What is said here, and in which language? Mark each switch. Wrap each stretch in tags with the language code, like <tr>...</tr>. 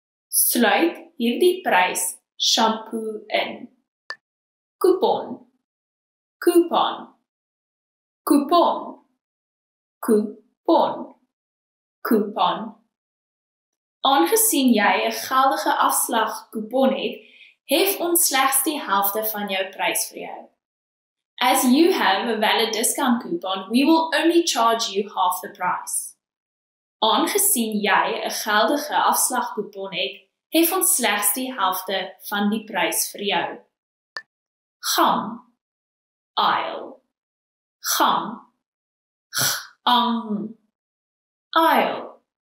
<af>Sluit hierdie prys shampoo in. Coupon. Coupon. Coupon. Coupon. Coupon. Aangesien jy 'n geldige afslag coupon het, hef ons slegs die helfte van jou prys vir jou.</af> <en>As you have a valid discount coupon, we will only charge you half the price.</en> <af>Aangesien jy 'n geldige afslag coupon het, hef ons slegs die helfte van die prys vir jou. Gang. Aisle. Gang. Gang. Aisle.</af>